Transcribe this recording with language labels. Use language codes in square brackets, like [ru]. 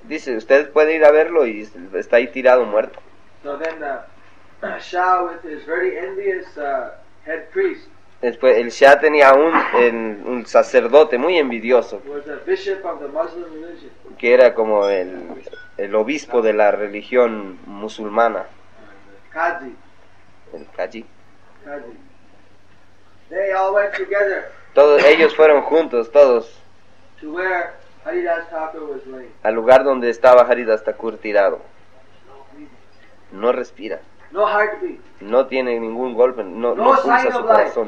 [es] Dice, ustedes pueden ir a verlo y está ahí tirado muerto. [en] So then the Shah with his very envious head priest. [es] Después, el Shah tenía un sacerdote muy envidioso. [en] Was a bishop of the Muslim religion. [es] Que era como el obispo de la religión musulmana. [en] Kaji. [es] El Kaji. [en] Kaji. They all went together. [es] Todos ellos fueron juntos, todos. [en] To where Haridas Thakur was laid. [es] Al lugar donde estaba Haridas Thakur tirado. No respira. [en] No heartbeat. [es] No tiene ningún golpe, no pulsa su corazón,